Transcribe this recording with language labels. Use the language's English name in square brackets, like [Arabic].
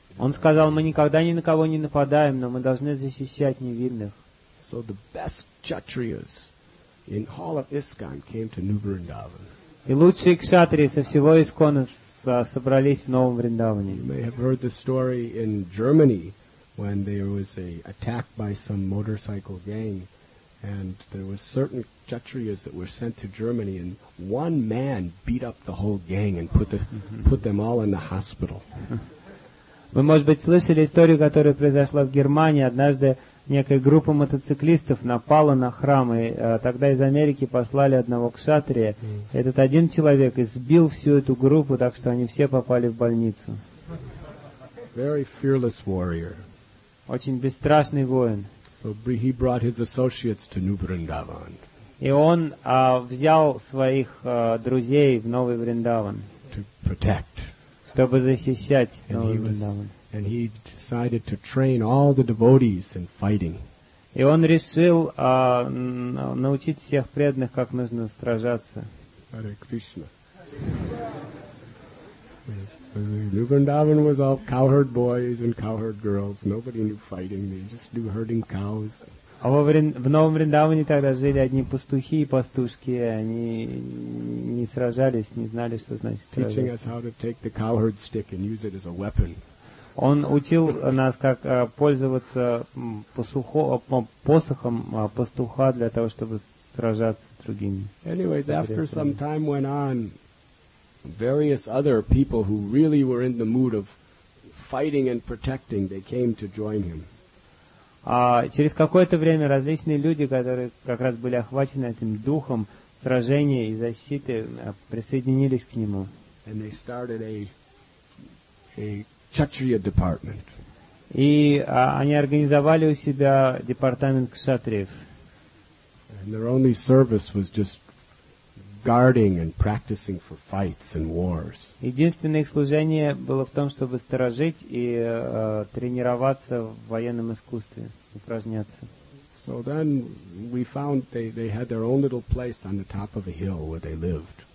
[Russian] Он сказал, мы никогда ни на кого не нападаем, но мы должны защищать невинных. [English] So the best Kshatriyas in all of ISKCON came to New Vrindavan. [Russian] И лучшие кшатри со всего Искона собрались в Новом Вриндаване. [English] You may have heard the story in Germany when there was an attack by some motorcycle gang, and there were certain kshatriyas that were sent to Germany, and one man beat up the whole gang and put them all in the hospital. [Russian] Вы, может быть, слышали историю, которая произошла в Германии. Однажды некая группа мотоциклистов напала на храм, и тогда из Америки послали одного кшатрия. Этот один человек избил всю эту группу, так что они все попали в больницу. [English] Very fearless warrior. [Russian] Очень бесстрашный воин. [English] So he brought his associates to New Vrindavan. [Russian] И он взял своих друзей в Новый Вриндаван. [English] To protect. [Russian] Чтобы защищать Новый Вриндаван. [English] And he decided to train all the devotees in fighting. [Russian] И он решил научить всех преданных, как нужно сражаться. [Sanskrit] Hare Krishna. [English] New Vrindavan was all cowherd boys and cowherd girls. Nobody knew fighting. They just knew herding cows. [Russian] А в Новом Вриндаване тогда жили одни пастухи и пастушки. Они не сражались, не знали, что значит сражаться. [English] Teaching us how to take the cowherd stick and use it as a weapon. [Russian] Он учил нас, как пользоваться посохом пастуха для того, чтобы сражаться с другими. [English] Anyways, after some time went on, various other people who really were in the mood of fighting and protecting, they came to join him. [Russian] Через какое-то время различные люди, которые как раз были охвачены этим духом сражения и защиты, присоединились к нему. [English] And they started a Kshatriya department. [Russian] И они организовали у себя департамент кшатриев. [English] And their only service was just guarding and practicing for fights and wars. [Russian] Единственное их служение было в том, чтобы сторожить и тренироваться в военном искусстве, упражняться. [English] So then we found they had their own little place on the top of a hill where they lived.